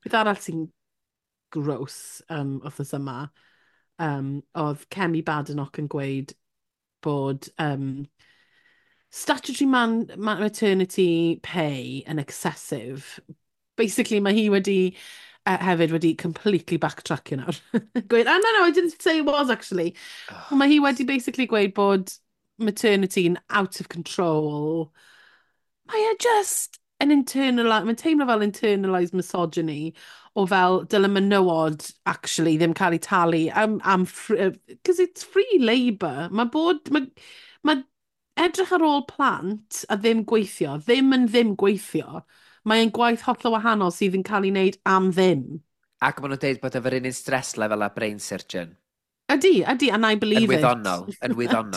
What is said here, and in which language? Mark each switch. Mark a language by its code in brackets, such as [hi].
[cy] Bydd arall sy'n gross othos yma, oedd Kemi Badenoch yn gweud bod statutory maternity pay yn excessive. Basically, mae hi wedi, hefyd wedi completely backtrackio nawr. Gweud, [en] oh, no, I didn't say it was, actually. [cy] Oh. Mae hi wedi basically gweud bod maternity yn [en] out of control. [cy] Mae e just an internalised, mae'n teimlo fel internalised misogyny o fel dylai menywod, actually, ddim cael ei talu. [en] Because it's free labour. [cy] Mae bod, mae edrych ar ôl plant a ddim gweithio, ddim yn ddim gweithio. Mae'n gwaith hollol wahanol sydd yn cael ei wneud am ddim. Ac maen nhw'n dweud bod efo'r un stress level a brain surgeon. Ydy, ydy, [en] and I believe it. [cy] Yn wyddonol, yn wyddonol.